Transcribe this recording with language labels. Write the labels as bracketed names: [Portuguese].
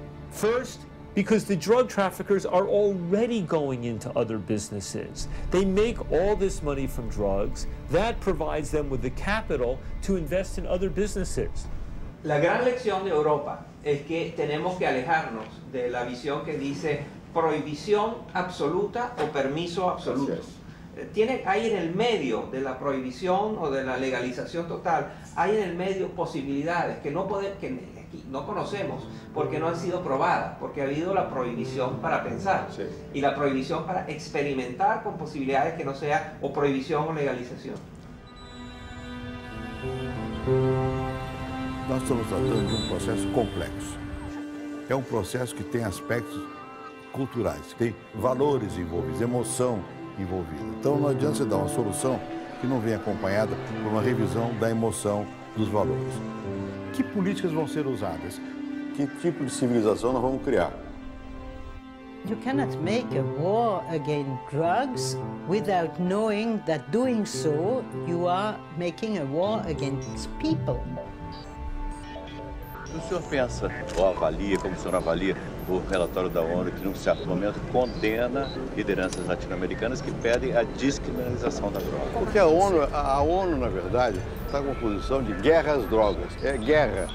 [English] First, because the drug traffickers are already going into other businesses. They make all this money from drugs. That provides them with the capital to invest in other businesses. [Spanish] La gran lección de Europa es que tenemos que alejarnos de la visión que dice prohibición absoluta o permiso absoluto. Yes. Tiene ahí en el medio de la prohibición o de la legalización total, hay en el medio posibilidades que no podemos, que aquí no conocemos porque no han sido probadas, porque ha habido la prohibición para pensar, sí, y la prohibición para experimentar con posibilidades que no sea o prohibición o legalización. [Portuguese] Nós estamos tratando de un proceso complejo. É un proceso que tem aspectos culturais, tem valores envolvidos, emoção envolvida. Então não adianta você dar uma solução que não vem acompanhada por uma revisão da emoção dos valores. Que políticas vão ser usadas? Que tipo de civilização nós vamos criar? [English] You cannot make a war against drugs without knowing that doing so you are making a war against people. [Portuguese] O senhor pensa, ou avalia, como o senhor avalia o relatório da ONU, que num certo momento condena lideranças latino-americanas que pedem a descriminalização da droga? Porque a ONU, na verdade, está com a posição de guerra às drogas. É guerra.